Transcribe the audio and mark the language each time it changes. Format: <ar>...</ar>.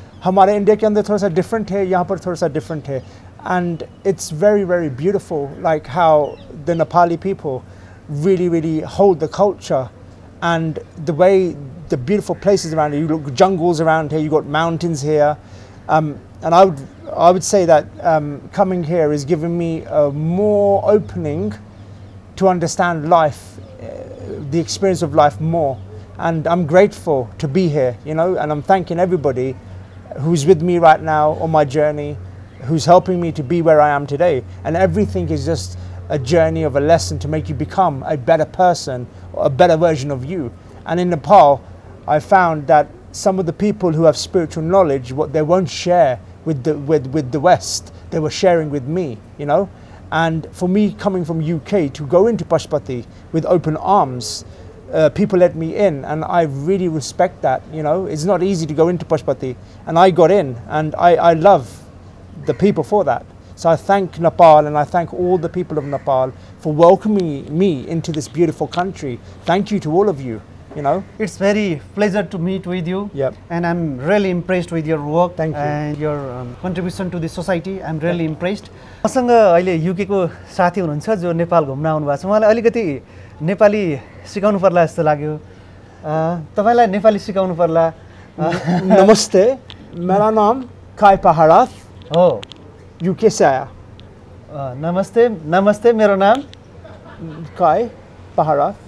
<hi>हमारे इंडिया के अंदर थोड़ा सा डिफरेंट है, यहाँ पर थोड़ा सा डिफरेंट है.</hi> <en>And it's very very beautiful like how the Nepali people really really hold the culture and the way the beautiful places around. You look jungles around here, you got mountains here, and I would say that coming here is giving me more opening to understand life, the experience of life more. And I'm grateful to be here, you know, and I'm thanking everybody who's with me right now on my journey, who's helping me to be where I am today. And everything is just a journey of a lesson to make you become a better person, a better version of you. And in Nepal, I found that some of the people who have spiritual knowledge, what they won't share with the West, they were sharing with me, you know. And for me, coming from UK, to go into Pashupati with open arms, people let me in. And I really respect that, you know. It's not easy to go into Pashupati. And I got in, and I love the people for that. So I thank Nepal, and I thank all the people of Nepal for welcoming me into this beautiful country. Thank you to all of you, you know. It's very pleasure to meet with you. Yep. And I'm really impressed with your work. Thank you. And your contribution to the society. I'm really impressed.</en> <ne>मसँग अहिले युकेको साथी हुनुहुन्छ जो नेपाल घुम्न आउनुभएको छ, उहाँलाई अलिकति नेपाली सिकाउनु पर्ला जस्तो लाग्यो. तपाईँलाई नेपाली सिकाउनु पर्ला. नमस्ते, मेरो नाम काई Parharath हो,</ne> <hi>युके से आया.</hi> <ne>नमस्ते, नमस्ते, मेरो नाम काई Parharath</ne>